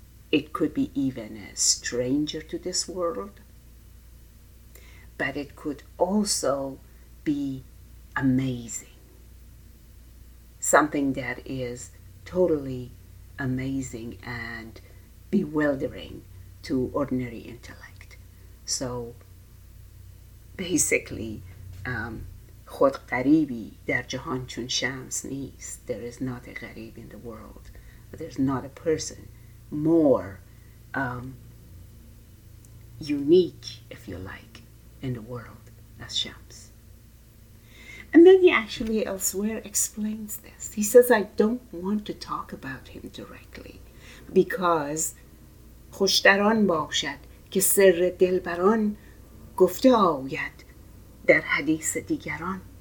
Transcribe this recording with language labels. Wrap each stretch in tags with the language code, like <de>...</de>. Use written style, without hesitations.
<en>It could be even a stranger to this world. But it could also be amazing. Something that is totally amazing and bewildering to ordinary intellect.</en> <fa>So basically, خود غریبی در جهان چون شمس نیست.</fa> <en>There is not a غریب in the world. There's not a person more unique, if you like, in the world as Shams. And then he actually elsewhere explains this. He says, I don't want to talk about him directly because</en> <fa>خوشتران باشد که سر دلبران گفته آوید در حدیث دیگران.</fa>